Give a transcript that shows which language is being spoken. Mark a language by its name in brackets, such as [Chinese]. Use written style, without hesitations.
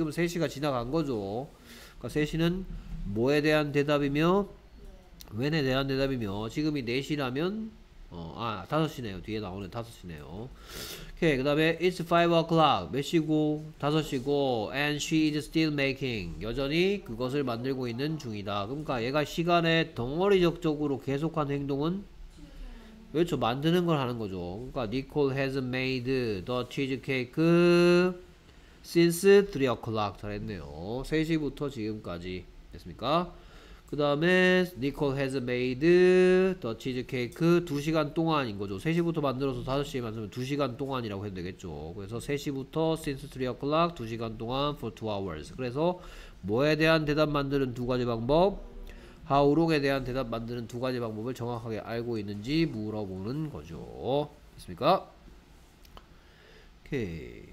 [Korean] 지금 3시가 지나간 거죠. 그러니까 3시는 뭐에 대한 대답이며 when에 대한 대답이며 지금이 4시라면 5시네요. 뒤에 나오는 5시네요. 오케이. 그 다음에 [English] it's 5 o'clock [Korean] 몇 시고? 5시고 [English] and she is still making [Korean] 여전히 그것을 만들고 있는 중이다. 그러니까 얘가 시간에 덩어리적으로 계속한 행동은 그렇죠. 만드는 걸 하는 거죠. 그러니까 [English] Nicole has made the cheesecake since 3 o'clock. [Korean] 잘했네요. 3시부터 지금까지 됐습니까? 그 다음에 [English] Nicole has made the cheesecake [Korean] 2시간 동안인 거죠. 3시부터 만들어서 5시에 만들면 2시간 동안이라고 해도 되겠죠. 그래서 3시부터 [English] since 3 o'clock [Korean] 2시간 동안 [English] for 2 hours. [Korean] 그래서 뭐에 대한 대답 만드는 두 가지 방법, how long에 대한 대답 만드는 두 가지 방법을 정확하게 알고 있는지 물어보는 거죠. 됐습니까? 오케이.